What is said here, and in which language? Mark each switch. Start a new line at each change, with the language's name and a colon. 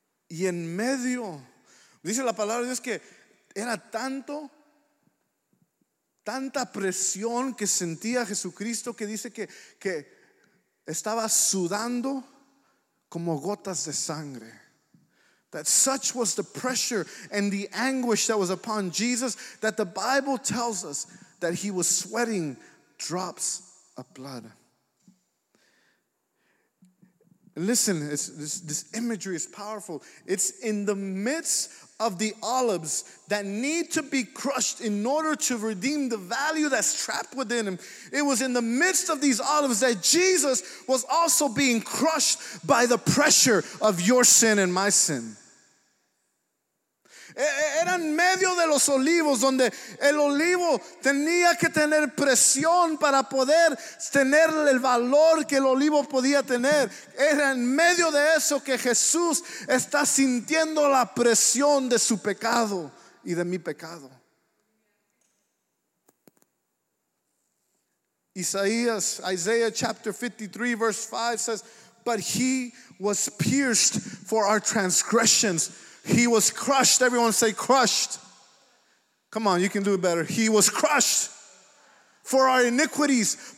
Spanish: Y en medio, dice la palabra de Dios que era tanta presión que sentía Jesucristo que dice que estaba sudando como gotas de sangre.
English: That such was the pressure and the anguish that was upon Jesus that the Bible tells us that he was sweating drops of blood. Listen, this imagery is powerful. It's in the midst of the olives that need to be crushed in order to redeem the value that's trapped within him. It was in the midst of these olives that Jesus was also being crushed by the pressure of your sin and my sin.
Spanish: Era en medio de los olivos donde el olivo tenía que tener presión para poder tener el valor que el olivo podía tener. Era en medio de eso que Jesús está sintiendo la presión de su pecado y de mi pecado.
English: Isaiah chapter 53 verse 5 says, but he was pierced for our transgressions. He was crushed. Everyone say crushed. Come on, you can do it better. He was crushed for our iniquities.